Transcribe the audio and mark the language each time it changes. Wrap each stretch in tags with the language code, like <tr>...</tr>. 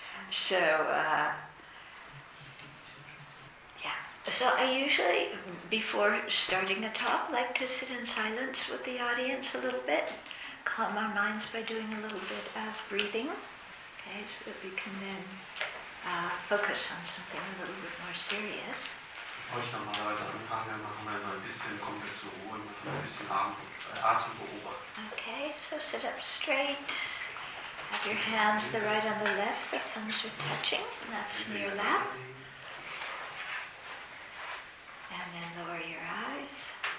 <en>So, So I usually, before starting a talk, like to sit in silence with the audience a little bit, calm our minds by doing a little bit of breathing. Okay, so that we can then focus on something a little bit more serious.</en> <de>Bevor ich normalerweise anfange, machen wir so ein bisschen, kommen wir zur Ruhe und machen ein bisschen Atembeobachtung.</de> <en>Okay, so sit up straight. Have your hands, the right on the left, the thumbs are touching, and that's in your lap. And then lower your eyes.</en>